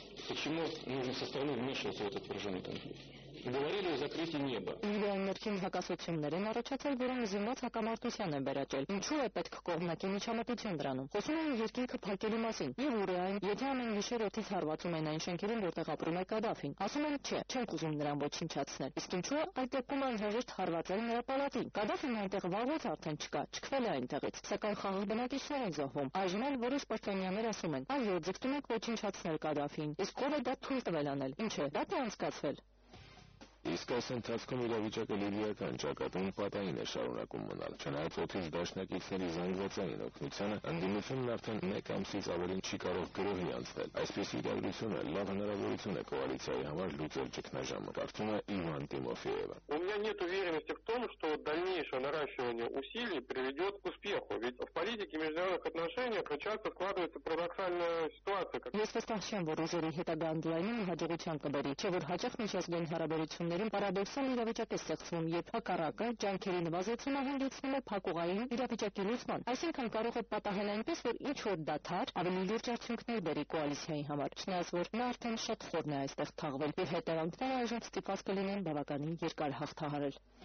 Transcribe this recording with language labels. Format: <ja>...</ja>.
<hy>էությունից։</hy> <ru>Говорили о закрытии неба.</ru> <hy>Իրան ներքին հակասություններ են առաջացել, որոնք զինված հակամարտության են վերաճել։ Ինչու է պետք կողմնակի միջամտություն դրանում։ Խոսում են երկինքը փակելու մասին։ Եվ ուր է այն, եթե ամեն գիշեր օդից հարվածում են այն շենքերին, որտեղ ապրում է Կադաֆին։ Ասում են, չէ, չենք ուզում նրան ոչնչացնել։ Իսկ ինչու է այդ դեպքում անհրաժեշտ հարվածել նրա պալատին։ Կադաֆին այնտեղ վաղուց արդեն չկա, չքվել է այնտեղից, սակայն խաղաղ բնակիչներ են զոհվում։ Այժմ էլ որոշ պաշտոնյաներ ասում են, այո, ձգտում եք ոչնչացնել Կադաֆին, իսկ ո՞վ է դա թույլ տվել անել, ինչ է, դա թե անցկացվել։ Իսկ այս ընթացքում իրավիճակը լիբիական ճակատում պատային է շարունակում մնալ, չնայած օդից դաշնակիցների զանգվածային օգնությանը ընդդիմությունն արդեն մեկ ամսից ավելին չի կարող գրոհի անցնել։ Այսպիսի իրադրությունը լավ հնարավորություն է կոալիցիայի համար լուծել ճգնաժամը, կարծում է Իվան Տիմոֆեևը։</hy> <ru>Дальнейшее наращивание усилий приведет к успеху, ведь в политике международных отношений часто складывается парадоксальная ситуация.</ru> <hy>Ես վստահեմ, որ ուժերի հետագա անդլայնին հաջողության կբերի, չէ՞ որ հաճախ միջազգային հարաբերություններին պարադոքսան իրավիճակ է ստեղծվում, երբ հակառակը ջանքերի նվազեցումը հանգեցնում է փակուղային իրավիճակի լուծման, այսինքն կարող է պատահել այնպես, որ ինչ-որ դադար ավելի լուրջ արդյունքներ բերի կոալիցիայի համար, չնայած որ նա արդեն շատ խորն է այստեղ թաղվել, իր հետևանքները այժմ ստիպված կլինեն բավականին երկար հաղթահարել։</hy>